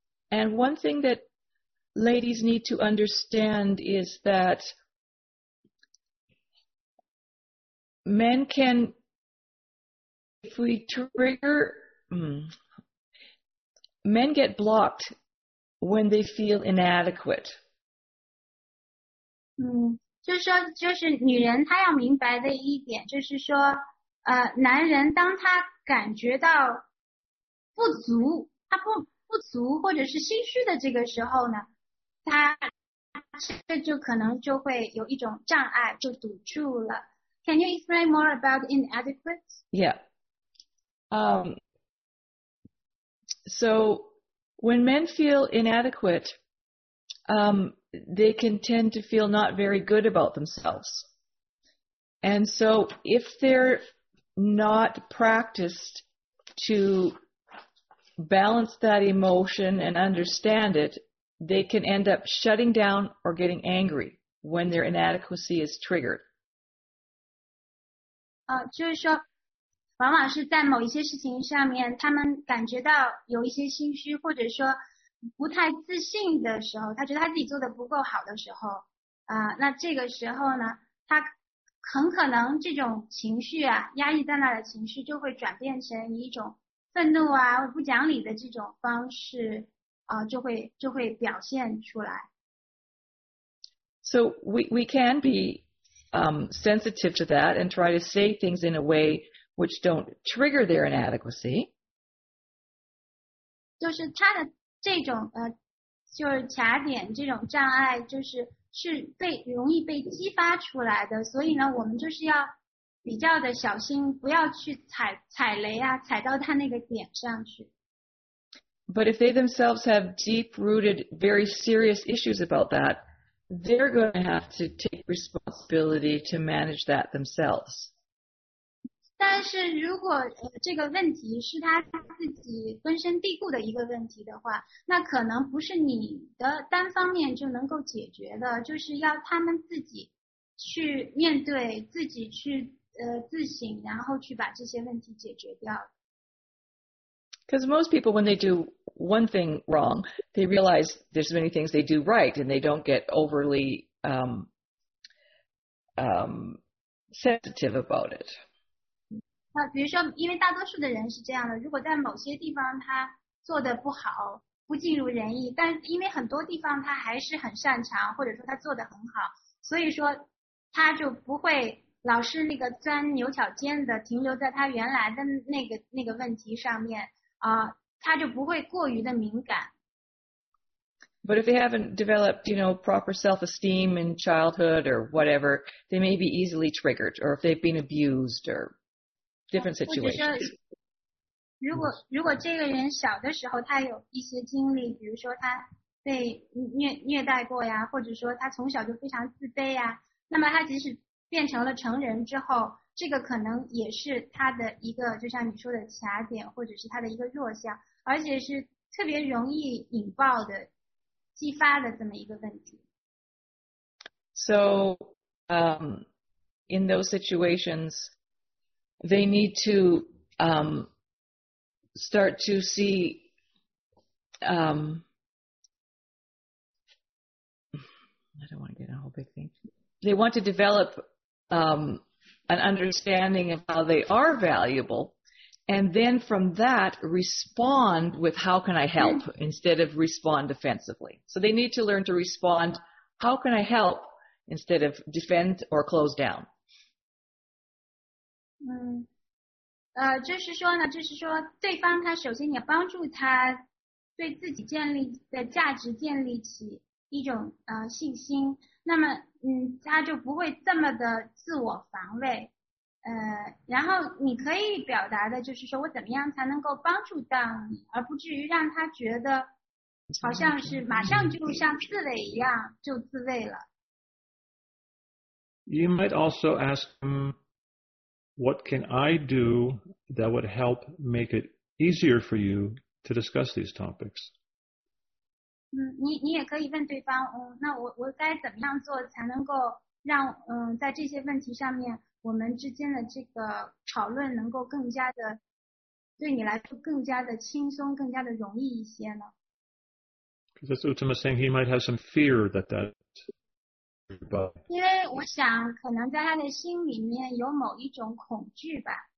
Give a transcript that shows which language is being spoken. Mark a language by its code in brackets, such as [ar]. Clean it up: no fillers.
[en] And one thing that ladies need to understand is that men can, if we trigger, men get blocked when they feel inadequate. [zh] 就是女人她要明白的一点就是说男人当他感觉到不足他 不足或者是心虚的这个时候呢他这就可能就会有一种障碍就堵住了。 [en] Can you explain more about inadequate? So when men feel inadequate, they can tend to feel not very good about themselves. And so if they're not practiced to balance that emotion and understand it, they can end up shutting down or getting angry when their inadequacy is triggered. [zh] 就是说往往是在某一些事情上面他们感觉到有一些心虚或者说不太自信的时候他觉得他自己做得不够好的时候那这个时候呢他很可能这种情绪啊压抑在那的情绪就会转变成一种愤怒啊不讲理的这种方式就会表现出来。 [en] So we can be sensitive to that and try to say things in a way which don't trigger their inadequacy. [zh] 就是他的这种就是卡点这种障碍就是是被容易被激发出来的所以呢我们就是要比较的小心不要去踩雷啊踩到他那个点上去。 [en] But if they themselves have deep-rooted very serious issues about that, they're going to have to take responsibility to manage that themselves. [zh] 但是如果这个问题是他自己根深蒂固的一个问题的话那可能不是你的单方面就能够解决的就是要他们自己去面对自己去自省然后去把这些问题解决掉。 [en] Because most people when they do one thing wrong, they realize there's many things they do right and they don't get overly sensitive about it. [zh] 比如说因为大多数的人是这样的如果在某些地方他做得不好不尽如人意但因为很多地方他还是很擅长或者说他做得很好所以说他就不会老是那个钻牛角尖的停留在他原来的那个问题上面他就不会过于的敏感。 [en] But if they haven't developed, you know, proper self-esteem in childhood or whatever, they may be easily triggered or if they've been abused or... Different situations. [zh] 如果这个人小的时候他有一些经历比如说他被 虐待过呀或者说他从小就非常自卑呀那么他即使变成了成人之后这个可能也是他的一个就像你说的卡点或者是他的一个弱项而且是特别容易引爆的激发的这么一个问题。 [en] So, in those situations,They need to start to see I don't want to get a whole big thing. They want to develop an understanding of how they are valuable, and then from that respond with how can I help instead of respond defensively. So they need to learn to respond how can I help instead of defend or close down. [zh] 就是说对方他首先你要帮助他对自己建立的价值建立起一种信心，那么他就不会这么的自我防卫。然后你可以表达的就是说我怎么样才能够帮助到你，而不至于让他觉得好像是马上就像刺猬一样就自卫了。 [en] You might also ask him, what can I do that would help make it easier for you to discuss these topics? [zh] 你也可以问对方，那我该怎么样做才能够让在这些问题上面我们之间的这个讨论能够更加的对你来说更加的轻松更加的容易一些呢？ [en] Because as Uttama is saying, he might have some fear that. [zh] 因为我想可能在他的心里面有某一种恐惧吧。